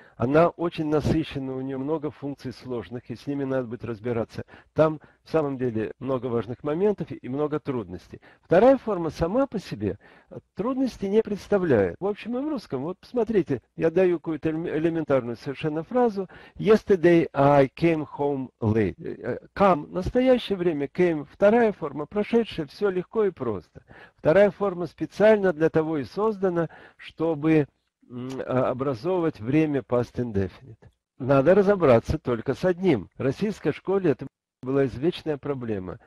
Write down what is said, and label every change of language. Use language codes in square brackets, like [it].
[ru] Она очень насыщена, у нее много функций сложных, и с ними надо будет разбираться. Там, в самом деле, много важных моментов и много трудностей. Вторая форма сама по себе трудностей не представляет. В общем, и в русском, вот посмотрите, я даю какую-то элементарную совершенно фразу. [en] Yesterday I came home late. Come. [ru] В настоящее время came. Вторая форма, прошедшая, все легко и просто. Вторая форма специально для того и создана, чтобы образовывать время past indefinite. Надо разобраться только с одним. В российской школе это была извечная проблема.